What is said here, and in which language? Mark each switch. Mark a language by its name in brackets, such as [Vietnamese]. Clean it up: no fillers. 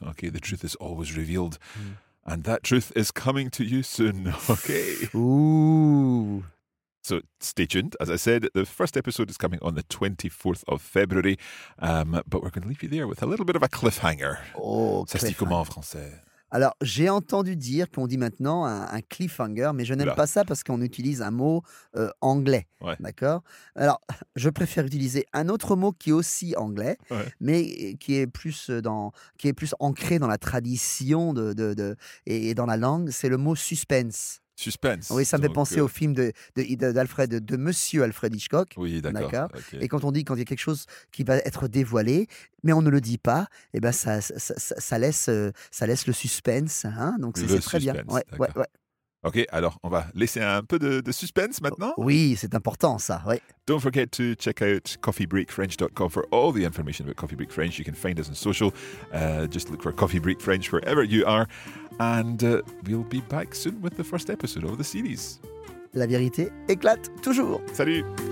[English] Okay, the truth is always revealed. Mm. And that truth is coming to you soon, okay? Ooh. So stay tuned. As I said, the first episode is coming on the 24th of February. But we're going to leave you there with a little bit of a cliffhanger. Oh, [French] ça se dit comment en français? Alors, j'ai entendu dire qu'on dit maintenant un cliffhanger, mais je n'aime pas ça parce qu'on utilise un mot anglais, d'accord ? Alors, je préfère utiliser un autre mot qui est aussi anglais, mais qui est plus ancré dans la tradition et dans la langue, c'est le mot suspense. Suspense. Oui, ça me fait penser au film de Monsieur Alfred Hitchcock. Oui, d'accord. D'accord. Okay. Et quand il y a quelque chose qui va être dévoilé, mais on ne le dit pas, eh ben ça laisse le suspense. Hein? Donc c'est suspense, très bien. Ouais, ouais, ouais. Ok, alors on va laisser un peu de suspense maintenant. Oui, c'est important ça, oui. [English] Don't forget to check out coffeebreakfrench.com for all the information about Coffee Break French. You can find us on social. Just look for Coffee Break French wherever you are. And we'll be back soon with the first episode of the series. [French] La vérité éclate toujours. Salut.